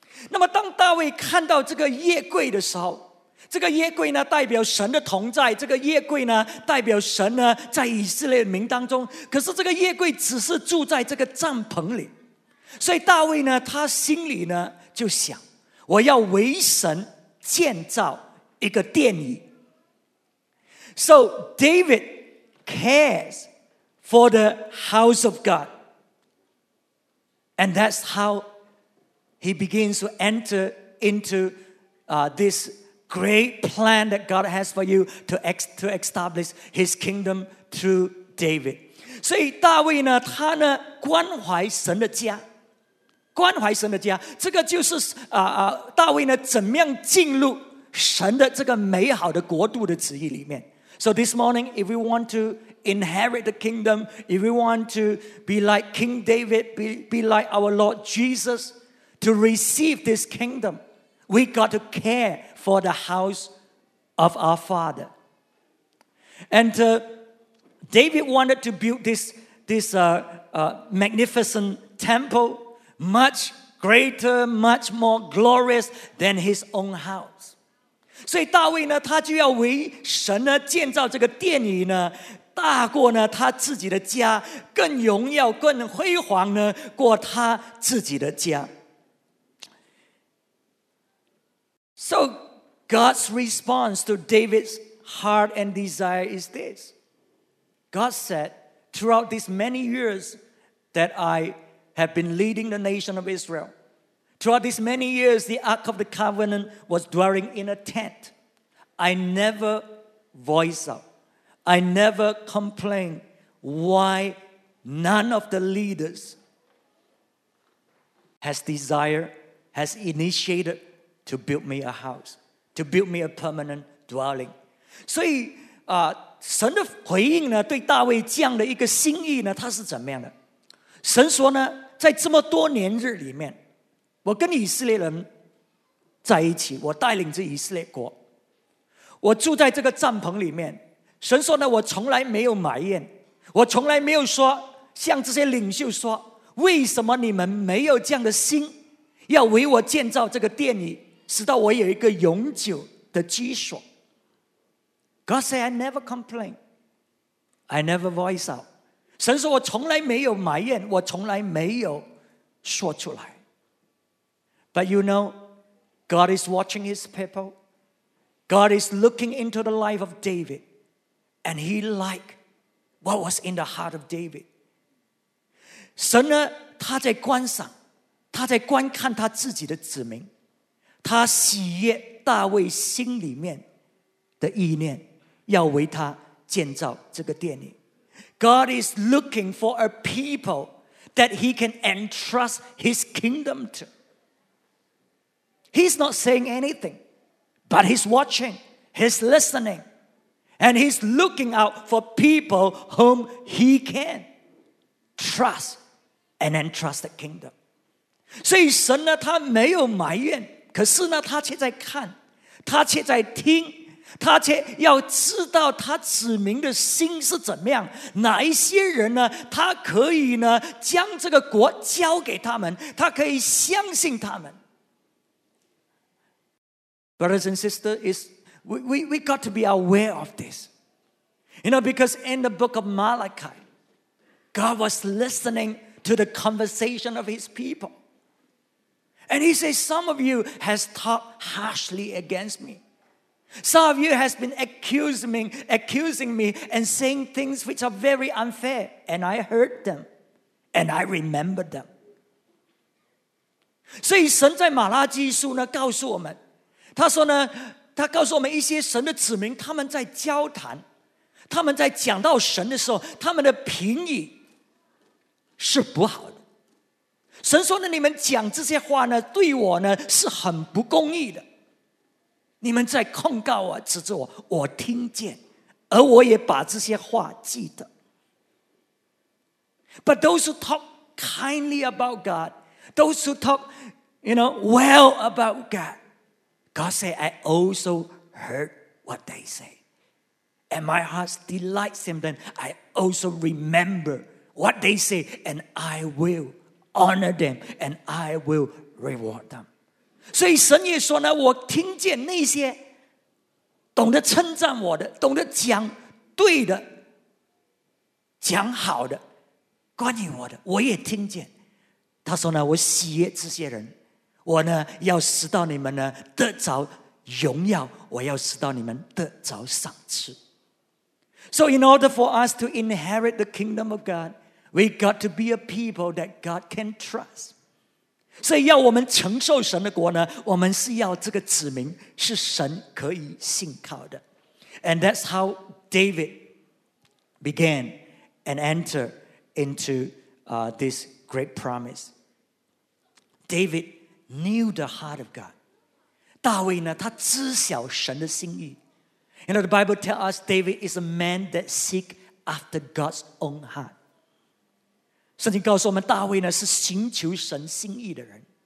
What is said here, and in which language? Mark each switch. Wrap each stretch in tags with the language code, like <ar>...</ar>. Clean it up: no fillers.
<zh>那么当大卫看到这个耶柜的时候，这个耶柜呢代表神的同在，这个耶柜呢代表神呢在以色列民当中，可是这个耶柜只是住在这个帐篷里。所以大卫呢他心里呢就想，我要为神建造一个殿宇。</zh> <en>So David cares for the house of God. And that's how he begins to enter into this great plan that God has for you to establish his kingdom through David.</en> <zh>所以大卫呢他呢关怀神的家。关怀神的家。这个就是大卫呢怎么样进入神的这个美好的国度的旨意里面。</zh> <en>So this morning, if we want to inherit the kingdom, if we want to be like King David, be like our Lord Jesus, to receive this kingdom, we got to care for the house of our Father. And David wanted to build this magnificent temple, much greater, much more glorious than his own house.</en> <zh>所以大卫呢他就要为神呢建造这个殿宇呢大过呢他自己的家，更荣耀更辉煌呢过他自己的家。</zh> <en>So God's response to David's heart and desire is this. God said, throughout these many years that I have been leading the nation of IsraelThroughout these many years, the Ark of the Covenant was dwelling in a tent. I never voiced out. I never complained why none of the leaders has desired, has initiated to build me a house, to build me a permanent dwelling.</en> <zh>所以啊，神的回应呢，对大卫这样的一个心意呢，他是怎么样的？神说呢，在这么多年日里面，我跟以色列人在一起，我带领着以色列国，我住在这个帐篷里面。神说呢，我从来没有埋怨，我从来没有说向这些领袖说，为什么你们没有这样的心，要为我建造这个殿宇，使到我有一个永久的居所。</zh> <en>God said, I never complain. I never voice out.</en> <zh>神说我从来没有埋怨，我从来没有说出来。</zh> <en>But you know, God is watching his people. God is looking into the life of David. And he liked what was in the heart of David.</en> <zh>神呢，他在观赏，他在观看他自己的子民，他喜悦大卫心里面的意念，要为他建造这个殿宇。</zh> <en>God is looking for a people that he can entrust his kingdom to. He's not saying anything, but he's watching, he's listening, and he's looking out for people whom he can trust and entrust the kingdom.</en> <zh>所以神呢，他没有埋怨，可是呢，他却在看，他却在听，他却要知道他子民的心是怎么样，哪一些人呢，他可以呢将这个国交给他们，他可以相信他们。</zh> <en>Brothers and sisters, we got to be aware of this. You know, because in the book of Malachi, God was listening to the conversation of his people. And he says, some of you has talked harshly against me. Some of you has been accusing me and saying things which are very unfair, and I heard them, and I remember them.</en> <zh>所以神在马拉基书呢告诉我们，他说呢，他告诉我们一些神的子民，他们在交谈，他们在讲到神的时候，他们的评语是不好的。神说呢，你们讲这些话呢，对我呢是很不公义的。你们在控告我，指责我，我听见，而我也把这些话记得。</zh> <en>But those who talk kindly about God, those who talk, you know, well about God, God say, I also heard what they say. And my heart delights in them. I also remember what they say, and I will honor them, and I will reward them.</en> <zh>所以神也说呢，我听见那些懂得称赞我的，懂得讲对的，讲好的关于我的，我也听见。他说呢，我喜悦这些人，我呢要使到你们呢得着荣耀，我要使到你们得着赏赐。</zh> <en>So in order for us to inherit the kingdom of God, we got to be a people that God can trust.</en> <zh>所以要我们承受神的国呢，我们是要这个子民是神可以信靠的。</zh> <en>And that's how David began and entered into this great promise. David knew the heart of God.</en> <zh>大卫呢，他知晓神的心意。</zh> <en>You know, the Bible tells us David is a man that seek after God's own heart.</en> <zh>圣经告诉我们，大卫呢是寻求神心意的人。</zh>